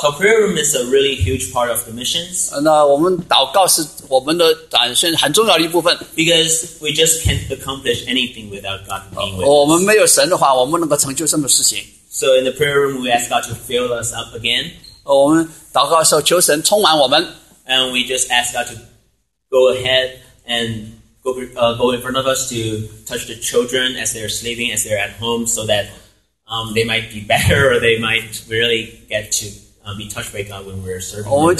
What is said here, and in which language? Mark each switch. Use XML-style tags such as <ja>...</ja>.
<en>So prayer room is a really huge part of the missions.</en> <zh>那我们祷告是我们的展现很重要的一部分。</zh> <en>Because we just can't accomplish anything without God being with us.</en> <zh>我们没有神的话，我们能够成就什么事情。</zh> <en>So in the prayer room, we ask God to fill us up again.</en> <zh>我们祷告的时候求神充满我们。</zh> <en>And we just ask God to go ahead and go in front of us to touch the children as they're sleeping, as they're at home, so that they might be better or they might really get to be touched by God when we're serving.</en>